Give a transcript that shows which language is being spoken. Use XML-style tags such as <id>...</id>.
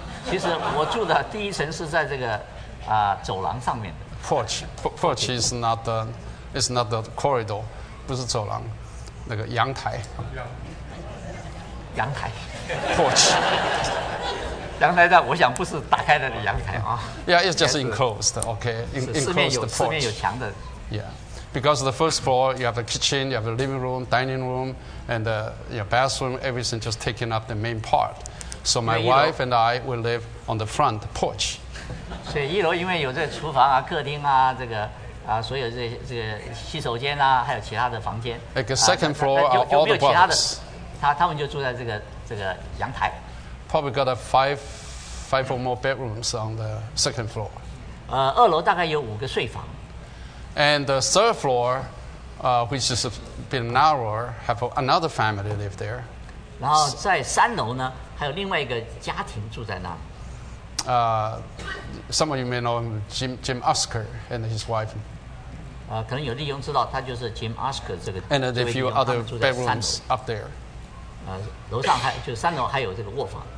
<zh>其实我住的第一层是在这个走廊上面的。</zh> <en>Porch is not the corridor,</en> <zh>不是走廊，那个阳台。阳台。</zh> <en>Porch.</en> <zh>阳台的，我想不是打开的阳台啊。</zh> <en>Yeah, it's just enclosed. Okay, enclosed the porch.</en> <zh>四面有墙的。</zh> <en>Yeah, because the first floor you have a kitchen, you have a living room, dining room, and your bathroom. Everything just taking up the main part. So my wife and I will live on the front porch.</en> <zh>所以一楼因为有这个厨房客厅这个所有这个洗手间还有其他的房间。</zh> <en>Like the second floor are all the brothers.</en> <zh>他们就住在这个阳台。</zh> <en>Probably got a five or more bedrooms on the second floor.</en> <zh>二楼大概有五个睡房。</zh> <en>And the third floor, which is a bit narrower, have another family live there.</en> <zh>然后在三楼呢，还有另外一个家庭住在那。</zh> <en>Some of you may know Jim Oscar and his wife.</en> <zh>可能有弟兄知道，他就是 Jim Oscar 这个。</zh> <en>And there's a few other bedrooms up there.</en> <zh>楼上还就三楼还有这个卧房。</zh>